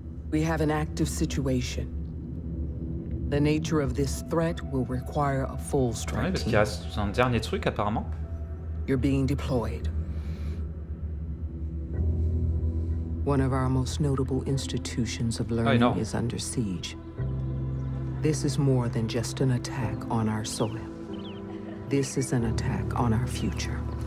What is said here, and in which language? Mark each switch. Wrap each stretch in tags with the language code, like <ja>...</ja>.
<en>We have an active situation. The nature of this threat will require a full strike.</en> <fr>Ouais, parce qu'il reste un dernier truc apparemment.</fr> <en>You're being deployed. One of our most notable institutions of learning is under siege. This is more than just an attack on our soil. This is an attack on our future.</en>